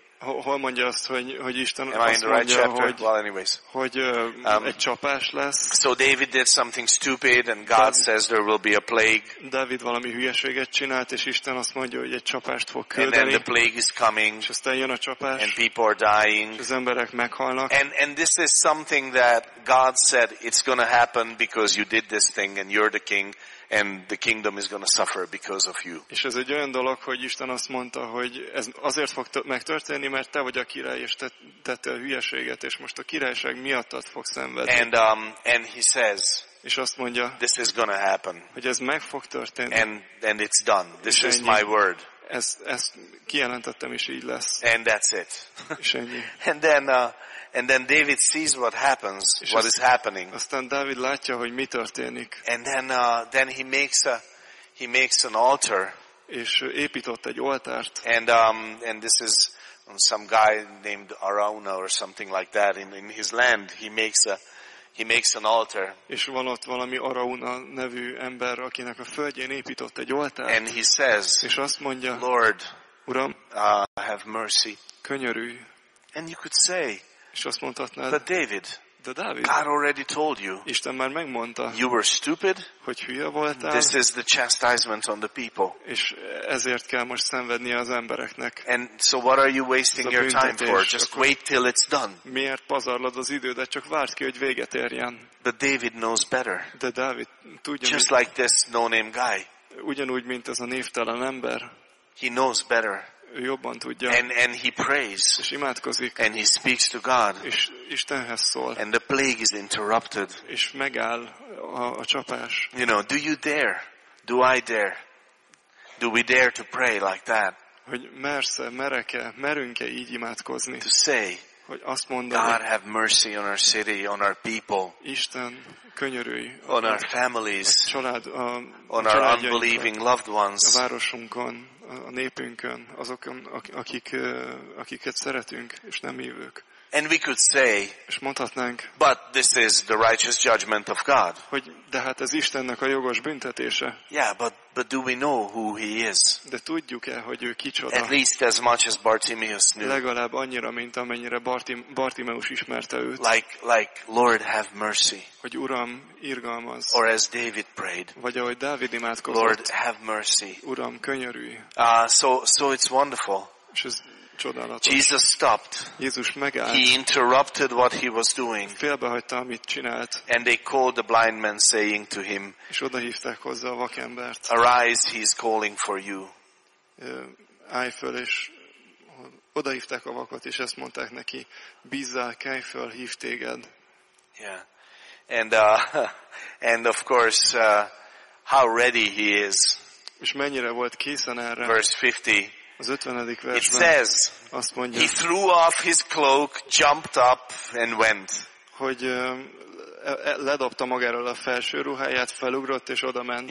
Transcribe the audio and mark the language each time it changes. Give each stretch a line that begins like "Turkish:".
Hungarian: Hol mondja azt, hogy Isten azt mondja, right, hogy,
English: well, anyways,
Hungarian: hogy egy csapás lesz.
English: So David did something stupid and God says there will be a plague.
Hungarian: David valami hülyeséget csinált, és Isten azt mondja, hogy egy csapást fog küldeni.
English: And then the plague is coming.
Hungarian: És aztán jön a csapás.
English: And people are dying.
Hungarian: Az emberek meghalnak.
English: And this is something that God said it's going to happen because you did this thing and you're the king. And the kingdom is going to suffer because of you.
Hungarian: És ez egy olyan dolog, hogy Isten azt mondta, hogy ez azért fog megtörténni, mert te vagy a király, és tettél hülyeséget, és most a királyság miattad fog szenvedni.
English: And he says,
Hungarian: és azt mondja,
English: this is going to happen.
Hungarian: Hogy ez meg fog történni.
English: And it's done. This is my word.
Hungarian: Ezt kijelentettem, és így lesz.
English: And that's it.
Hungarian: És ennyi.
English: And then David sees what happens, what is happening.
Hungarian: Aztán David látja, hogy mi történik.
English: And then he makes an altar.
Hungarian: És épított egy oltárt.
English: And this is some guy named Arauna or something like that in his land. He makes an altar.
Hungarian: És van ott valami Arauna nevű ember, akinek a földjén épított egy oltárt.
English: And he says,
Hungarian: és azt mondja,
English: Lord,
Hungarian: Uram,
English: have mercy.
Hungarian: Könyörülj.
English: And you could say,
Hungarian: és azt mondhatnád,
English: but David,
Hungarian: de David,
English: God already told you,
Hungarian: Isten már megmondta,
English: you were stupid,
Hungarian: hogy hülye voltál,
English: this is the chastisement on the people.
Hungarian: És ezért kell most szenvednie az embereknek.
English: And so what are you wasting your time for? Just wait till it's done.
Hungarian: Miért pazarlod az idődet? Csak várd ki, hogy véget érjen.
English: But David knows better.
Hungarian: De David tudja,
English: just like this no-name guy.
Hungarian: Ugyanúgy, mint ez a névtelen ember.
English: He knows better.
Hungarian: Ő jobban tudja.
English: And he prays.
Hungarian: És imádkozik.
English: And he speaks to God.
Hungarian: És Istenhez szól.
English: And the plague is interrupted.
Hungarian: És megáll a csapás.
English: You know, do you dare? Do I dare? Do we dare to pray like that?
Hungarian: Hogy mersz-e, merek-e, merünk-e így imádkozni?
English: To say,
Hungarian: hogy azt mondani,
English: God have mercy on our city, on our people.
Hungarian: Isten, könyörülj.
English: On our families.
Hungarian: A család,
English: on our unbelieving loved ones.
Hungarian: A városunkon. A népünkön, azokon, akiket szeretünk, és nem hívők.
English: And we could say,
Hungarian: és mondhatnánk,
English: but this is the righteous judgment of God.
Hungarian: Hogy, de hát ez Istennek a jogos büntetése.
English: Yeah, but do we know who he is?
Hungarian: De tudjuk-e, hogy ő kicsoda?
English: At least as much as Bartimaeus knew.
Hungarian: Legalább annyira, mint amennyire Bartimaeus ismerte őt.
English: Like Lord have mercy.
Hungarian: Hogy Uram, irgalmazz.
English: Or as David prayed.
Hungarian: Vagy ahogy Dávid imádkozott.
English: Lord have mercy.
Hungarian: Uram, könyörülj.
English: So it's wonderful. Jesus stopped.
Hungarian: Jézus megállt.
English: He interrupted what he was doing.
Hungarian: Félbehagyta, amit csinált.
English: And they called the blind man saying to him,
Hungarian: és odahívták hozzá a vakembert.
English: Arise, he is calling for you.
Hungarian: Állj föl, és odahívták a vakot, és ezt mondták neki, bízzál, kelj föl, hív téged.
English: Yeah. And of course, how ready he is.
Hungarian: És mennyire volt készen erre.
English: Verse 50.
Hungarian: Az 50.
English: It says,
Hungarian: azt mondja,
English: he threw off his cloak, jumped up and went.
Hungarian: Hogy ledobta magáról a felső ruháját, felugrott és odament.